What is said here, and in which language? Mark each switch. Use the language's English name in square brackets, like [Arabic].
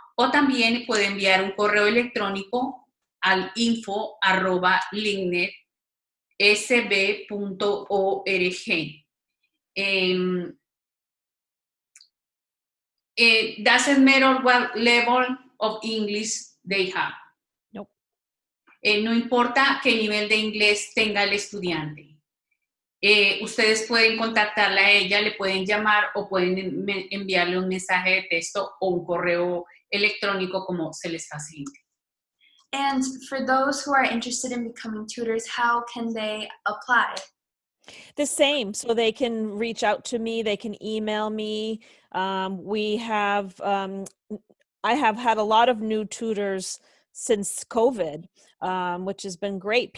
[Spanish] O también puede enviar un correo electrónico al info@lignetsb.org. [English] it doesn't matter what level of English they have. [Spanish] No importa qué nivel de inglés tenga el estudiante. Ustedes pueden contactarla a ella, le pueden llamar o pueden enviarle un mensaje de texto o un correo electrónico como se les facilite. [English] And for those who are interested in becoming tutors, how can they apply? The same. So they can reach out to me, they can email me. I have had a lot of new tutors since COVID, which has been great.